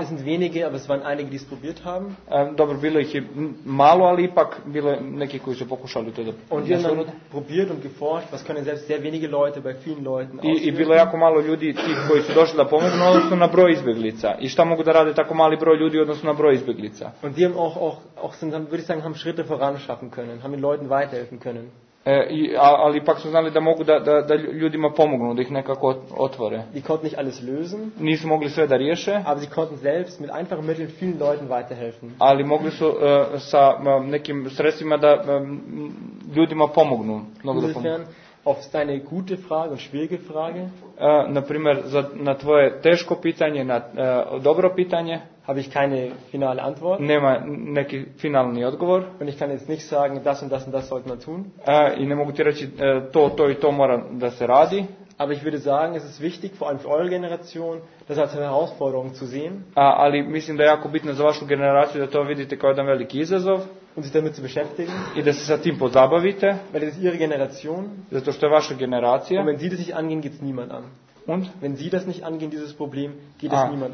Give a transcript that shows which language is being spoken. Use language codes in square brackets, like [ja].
[de] Es sind wenige, aber es waren einige, die es probiert haben. [sr] Dobro, bilo ih je malo, ali ipak bilo neki koji su pokušali to da... [de] Und wir haben dann probiert und geforscht, was können selbst sehr wenige Leute bei vielen Leuten ausführen. [sr] I bilo jako malo ljudi, ti koji su došli da pomognu, odnosno na broj izbjeglica. I šta mogu da rade tako mali broj ljudi, odnosno na broj izbjeglica? [de] Und die haben auch sind, würde ich sagen, haben Schritte voranschaffen können, haben den Leuten weiterhelfen können. [sr] Ali ipak su znali da mogu da ljudima pomognu, da ih nekako otvore. [de] Die konnten nicht alles lösen. [sr] Nisu mogli sve da riješe. [de] Aber sie konnten selbst mit einfachen Mitteln vielen Leuten weiterhelfen. [sr] Ali mogli su sa nekim sredstvima da ljudima pomognu. [de] Insofern, auf deine gute Frage und schwierige Frage. [sr] Naprimjer, na tvoje teško pitanje, na dobro pitanje. [de] Habe ich keine finale Antwort. [sr] Nema neki finalni odgovor. [de] Und ich kann jetzt nicht sagen, das und das und das sollte man tun. [sr] I ne mogu ti reći, to i to mora da se radi. [de] Aber ich würde sagen, es ist wichtig, vor allem für eure Generation, das als eine Herausforderung zu sehen. [sr] Ali mislim da je jako bitno za vašu generaciju da to vidite kao jedan veliki izazov. [de] Und sich damit zu beschäftigen. [sr] I da se sa tim pozabavite. [de] Weil es ist ihre Generation. [sr] Zato što je vaša generacija. [de] Und wenn sie das nicht angehen, geht es niemand an. Und wenn Sie das nicht angehen, dieses Problem, geht es niemand